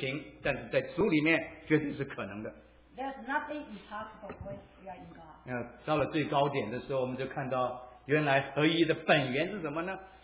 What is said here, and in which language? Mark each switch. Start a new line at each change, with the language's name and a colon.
Chinese: 不可能的事情，但是在主里面绝对是可能的。
English: There's nothing impossible when you are in God.
Chinese: 到了最高点的时候，我们就看到原来合一的本源是什么呢？